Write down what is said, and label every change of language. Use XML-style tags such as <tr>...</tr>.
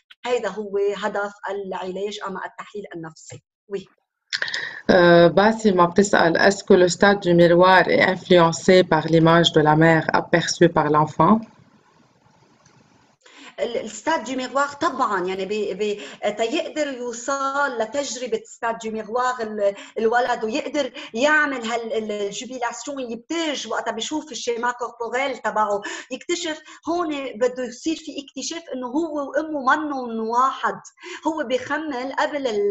<ar>هذا هو هدف العلاج أما التحليل النفسي.</ar> <fr>وي. Basim m'a demandé est-ce que le stade du miroir est influencé par l'image de la mère aperçue par l'enfant?</fr> <ar>الستاد دو ميغوار طبعا يعني تيقدر يوصل لتجربه ستاد دو ميغوار الولد ويقدر يعمل هالجوبيلاسيون اللي بتيجي وقتها بشوف الشيما كورتوريل تبعه، يكتشف هون بده يصير في اكتشاف انه هو وامه منهم واحد، هو بخمل قبل</ar>